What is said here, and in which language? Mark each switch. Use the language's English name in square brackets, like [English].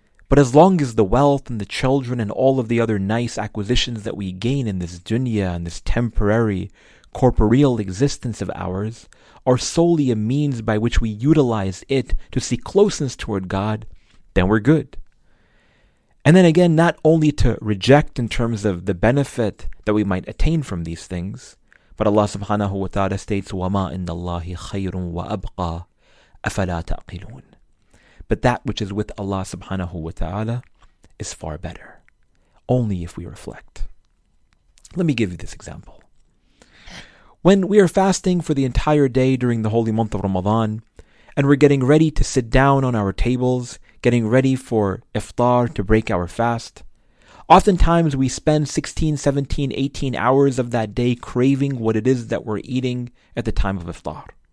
[English] But as long as the wealth and the children and all of the other nice acquisitions that we gain in this dunya and this temporary corporeal existence of ours are solely a means by which we utilize it to seek closeness toward God, then we're good. And then again, not only to reject in terms of the benefit that we might attain from these things, But Allah subhanahu wa ta'ala states, [Arabic] وَمَا إِنَّ اللَّهِ خَيْرٌ وَأَبْقَى أَفَلَا تَعْقِلُونَ. [English] But that which is with Allah subhanahu wa ta'ala is far better. Only if we reflect. Let me give you this example. When we are fasting for the entire day during the holy month of Ramadan, and we're getting ready to sit down on our tables, getting ready for iftar to break our fast, oftentimes we spend 16, 17, 18 hours of that day craving what it is that we're eating at the time of iftar.